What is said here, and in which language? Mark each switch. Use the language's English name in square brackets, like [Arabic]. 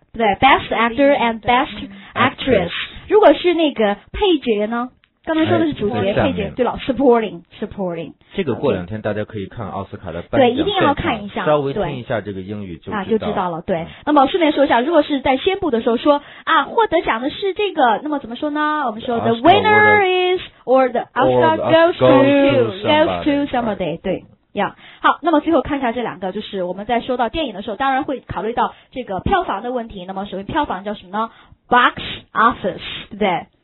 [Chinese] 不对 ， [English] Best actor and best actress。 [Chinese] 如果是那个配角呢？刚才说的是主角、配角，对了 ，supporting。这个过两天大家可以看奥斯卡的颁奖，对，一定要看一下，稍微听一下这个英语就知道啊，就知道了。对，那么顺便说一下，如果是在宣布的时候说啊，获得奖的是这个，那么怎么说呢？我们说 [English] the winner is or the Oscar goes to somebody。 [Chinese] 对。Yeah. 好，那么最后看一下这两个，就是我们在说到电影的时候当然会考虑到这个票房的问题，那么所谓票房叫什么呢 box office 对不对、